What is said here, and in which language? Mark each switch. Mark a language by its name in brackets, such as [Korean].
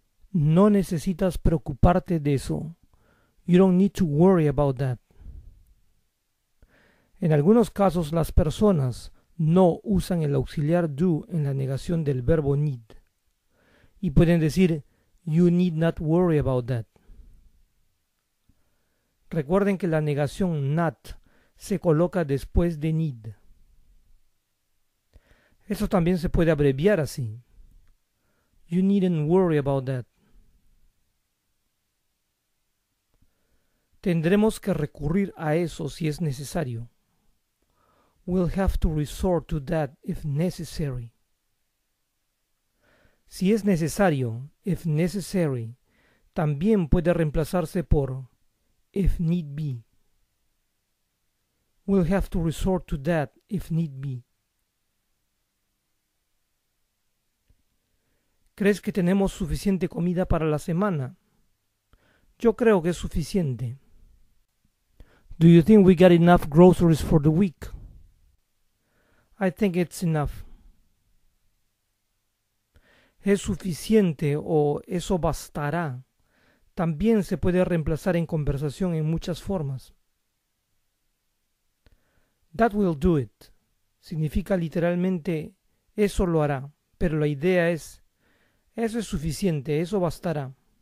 [Spanish] No necesitas preocuparte de eso. [English] You don't need to worry about that. [Spanish] En algunos casos, las personas no usan el auxiliar do en la negación del verbo need. Y pueden decir, [English] you need not worry about that. [Spanish] Recuerden que la negación not se coloca después de need. Eso también se puede abreviar así. [English] You needn't worry about that. [Spanish] Tendremos que recurrir a eso si es necesario. [English] We'll have to resort to that if necessary. [Spanish] Si es necesario, [English] if necessary, [Spanish] también puede reemplazarse por [English] if need be. We'll have to resort to that if need be. [Spanish] ¿Crees que tenemos suficiente comida para la semana? Yo creo que es suficiente. [English] Do you think we got enough groceries for the week? I think it's enough. [Spanish] Es suficiente o eso bastará. También se puede reemplazar en conversación en muchas formas. [English] That will do it. [Spanish] Significa literalmente eso lo hará, pero la idea es eso es suficiente, eso bastará.